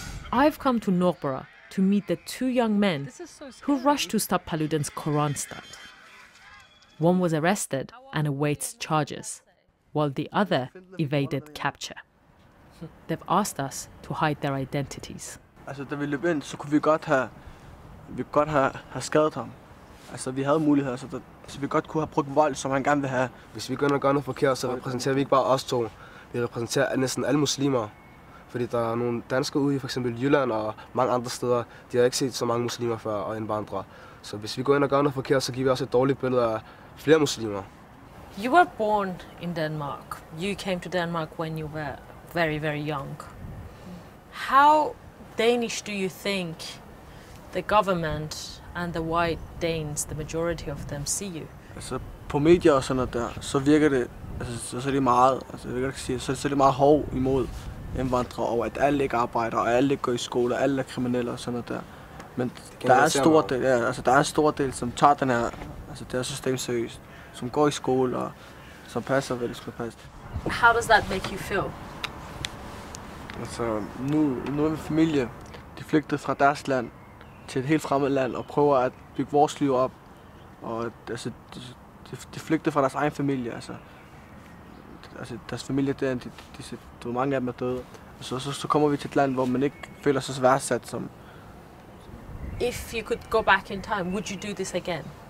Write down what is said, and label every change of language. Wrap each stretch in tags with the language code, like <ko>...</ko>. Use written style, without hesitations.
<en>I've come to Nørrebro to meet the two young men who rushed to stop Paludan's Quran stunt. One was arrested and awaits charges, while the other evaded capture. They've asked us to hide their identities.</en> <da>Altså, da vi løb ind, så kunne vi godt have skadet ham. Altså, vi havde mulighed, så vi godt kunne have brugt vold, som han gerne vil have. Hvis vi begynder at gøre noget forkert, så repræsenterer vi ikke bare os to. Vi repræsenterer næsten alle muslimer. Fordi der er nogle danskere ude i for eksempel Jylland og mange andre steder, de har ikke set så mange muslimer før og indvandrere. Så hvis vi går ind og gør noget forkert, så giver vi også et dårligt billede af flere muslimer.</da> <en>You were born in Denmark. You came to Denmark when you were very, very young. How Danish do you think the government and the white Danes, the majority of them, see you?</en> <da>Altså på medier og sådan noget der, så virker det så lidt meget, så lidt meget hård imod indvandrere, og at alle ikke arbejder, og alle ikke går i skole, og alle er kriminelle og sådan noget der. Men der er en stor del, som tager den her, det her system seriøst, som går i skole, og som passer, hvad det skal passe.</da> <en>How does that make you feel?</en> <da>Altså, nu er min familie, de flygtede fra deres land til et helt fremmed land, og prøver at bygge vores liv op. Og altså, de flygtede fra deres egen familie, altså. Altså, deres familie der, de mange af dem er døde. Så kommer vi til et land, hvor man ikke føler sig så værdsat som.</da> <en>If you could go back in time, would you do this again?</en>